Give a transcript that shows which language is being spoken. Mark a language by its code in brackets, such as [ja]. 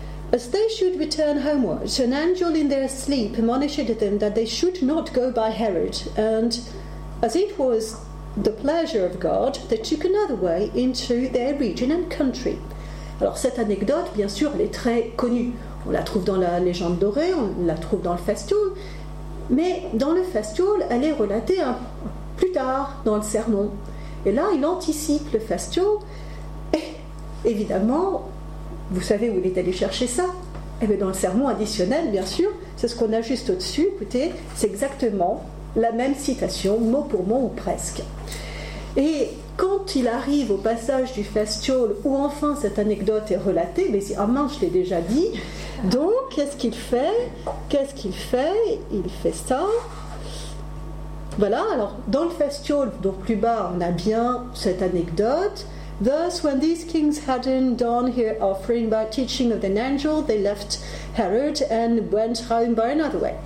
[en] As they should return homewards, an angel in their sleep admonished them that they should not go by Herod. And as it was the pleasure of God, they took another way into their region and country. [fr] Alors cette anecdote, bien sûr, elle est très connue. On la trouve dans la légende dorée, on la trouve dans le fasciol. Mais dans le fasciol, elle est relatée plus tard dans le sermon. Et là, il anticipe le fasciol. Évidemment, vous savez où il est allé chercher ça. Eh bien, dans le sermon additionnel, bien sûr, c'est ce qu'on a juste au-dessus. Écoutez, c'est exactement la même citation, mot pour mot ou presque. Et quand il arrive au passage du fasciol où enfin cette anecdote est relatée, mais ah mince, je l'ai déjà dit. Donc, qu'est-ce qu'il fait? Il fait ça. Voilà, alors dans le fasciol, donc plus bas, on a bien cette anecdote. [en] Thus, when these kings hadn't done here offering by teaching of an angel, they left Herod and went home by another way.